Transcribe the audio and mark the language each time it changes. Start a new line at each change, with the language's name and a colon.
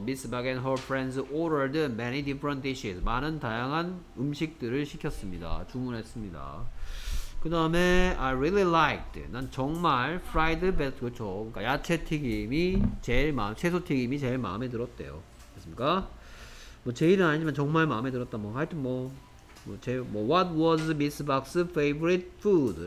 English: Miss Bug and her friends ordered many different dishes.
Korean: 많은 다양한 음식들을 시켰습니다. 주문했습니다. 그 다음에
English: I really liked.
Korean: 난 정말
English: fried vegetables.
Korean: 그렇죠. 그러니까 야채 튀김이 제일 마음, 채소 튀김이 제일 마음에 들었대요. 됐습니까? 뭐 제일은 아니지만 정말 마음에 들었다. 뭐 하여튼 뭐
English: What was Miss Bug's favorite food?